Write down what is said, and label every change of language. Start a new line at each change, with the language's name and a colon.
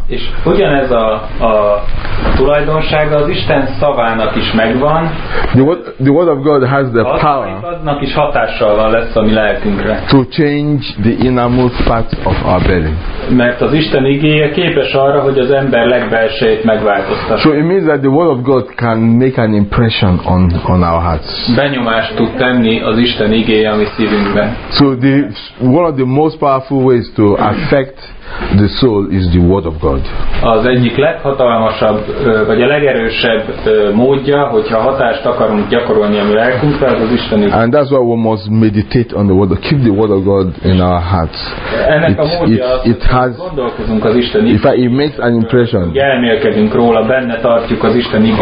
Hungarian: És ugyanez a tulajdonsága az Isten szavának is megvan.
English: The word of God has the power.
Hungarian: Annak is hatással van lesz a mi lelkünkre.
English: To change the innermost part of our belly.
Hungarian: Mert az Isten igéje képes arra, hogy az ember legbelsejét megváltoztassa.
English: So it means that the word of God can make an impression on our hearts.
Hungarian: Benyomást tud tenni az Isten igéje a mi szívünkbe.
English: So one of the most powerful ways to affect the soul is the word of God.
Hungarian: Az egyik leghatalmasabb vagy a legerősebb módja, hogyha hatást akarunk gyakorolni a mi lelkünkre, az Isten igéje.
English: And that's why we must meditate on the word, keep the word of God in our hearts.
Hungarian: Ennek a módja az, gondolkozunk az Isten igéje.
English: If it makes an impression.
Hungarian: Elmélkedünk róla, benne tartjuk az Isten igéje.